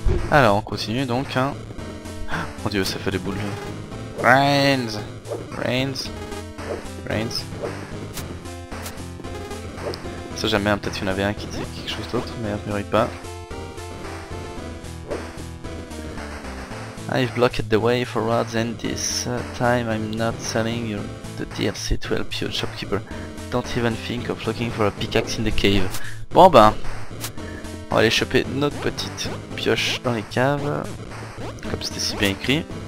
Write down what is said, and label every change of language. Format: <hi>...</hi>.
<fr>Alors, on continue donc, hein. Mon dieu, ça fait des boules.</fr> <en>Brains. Brains. Brains.</en> <fr>Ça jamais, hein, peut-être qu'il y en avait un qui disait quelque chose d'autre, mais a priori pas.</fr> <en>I've blocked the way for rods and this time I'm not selling your the DLC to help you, shopkeeper. Don't even think of looking for a pickaxe in the cave.</en> <fr>Bon ben, on va aller choper notre petite pioche dans les caves, comme c'était si bien écrit.</fr>